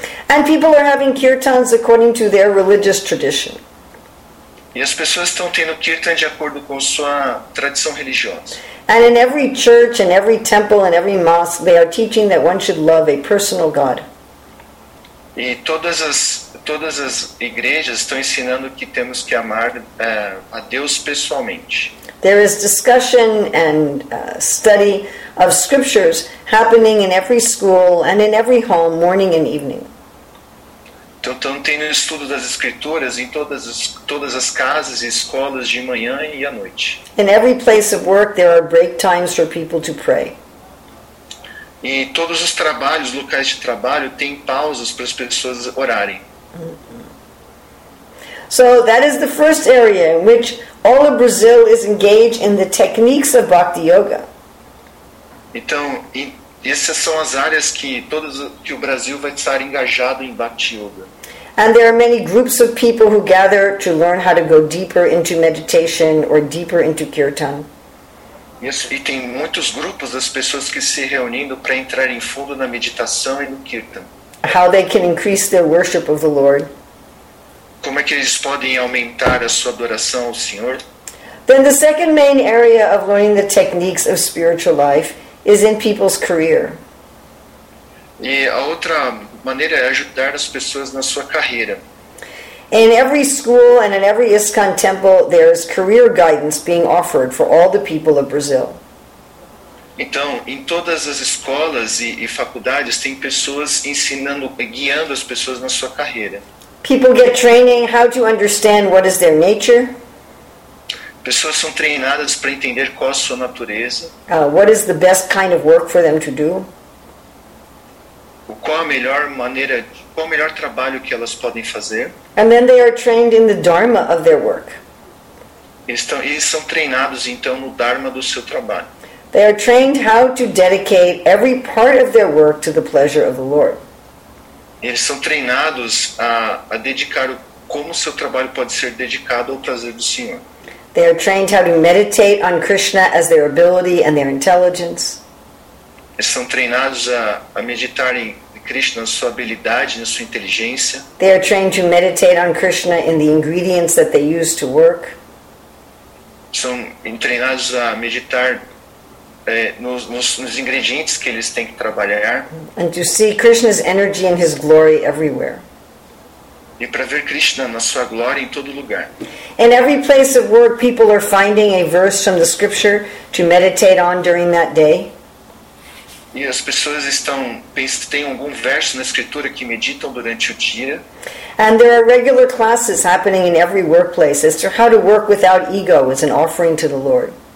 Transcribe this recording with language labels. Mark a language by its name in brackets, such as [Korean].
[English] And people are having kirtans according to their religious tradition. [Portuguese] E as pessoas estão tendo kirtan de acordo com sua tradição religiosa. [English] And in every church and every temple and every mosque, they are teaching that one should love a personal God. [Portuguese] E todas as igrejas estão ensinando que temos que amar a Deus pessoalmente. [English] There is discussion and study of scriptures happening in every school and in every home, morning and evening. [Portuguese] Então tem o estudo das escrituras em todas as casas e escolas de manhã e à noite. [English] In every place of work there are break times for people to pray. [Portuguese] Em todos os trabalhos, locais de trabalho, tem pausas para as pessoas orarem. [English] So that is the first area in which all of Brazil is engaged in the techniques of bhakti yoga. [Portuguese] Então, essas são as áreas que o Brasil vai estar engajado em bhakti yoga. [English] And there are many groups of people who gather to learn how to go deeper into meditation or deeper into kirtan. [Portuguese] E tem muitos grupos das pessoas que se reunindo para entrar em fundo na meditação e no kirtan. [English] How they can increase their worship of the Lord. [Portuguese] Como é que eles podem aumentar a sua adoração ao Senhor? [English] Then the second main area of learning the techniques of spiritual life is in people's career. [Portuguese] E a outra maneira é ajudar as pessoas na sua carreira. [English] In every school and in every ISKCON temple, there is career guidance being offered for all the people of Brazil. [Portuguese] Então, em todas as escolas e faculdades tem pessoas ensinando, guiando as pessoas na sua carreira. [English] People get training how to understand what is their nature. [Portuguese] Pessoas são treinadas para entender qual a sua natureza. [English] What is the best kind of work for them to do? [Portuguese] Qual o melhor trabalho que elas podem fazer? [English] And then they are trained in the dharma of their work. [Portuguese] Eles são treinados então no dharma do seu trabalho. [English] They are trained how to dedicate every part of their work to the pleasure of the Lord. [Portuguese] Eles são treinados a dedicar como seu trabalho pode ser dedicado ao prazer do Senhor. [English] They are trained how to meditate on Krishna as their ability and their intelligence. [Portuguese] Eles são treinados a meditar em Krishna na sua habilidade, na sua inteligência. [English] They are trained to meditate on Krishna in the ingredients that they use to work. [Portuguese] São treinados a meditar nos ingredientes que eles têm que trabalhar. [English] And to see Krishna's energy and his glory everywhere. [Portuguese] E para ver Krishna na sua glória em todo lugar. [English] In every place of work, people are finding a verse from the scripture to meditate on during that day. [Portuguese] E as pessoas estão têm algum verso na escritura que meditam durante o dia. [English] And there are regular classes happening in every workplace as to how to work without ego as an offering to the Lord.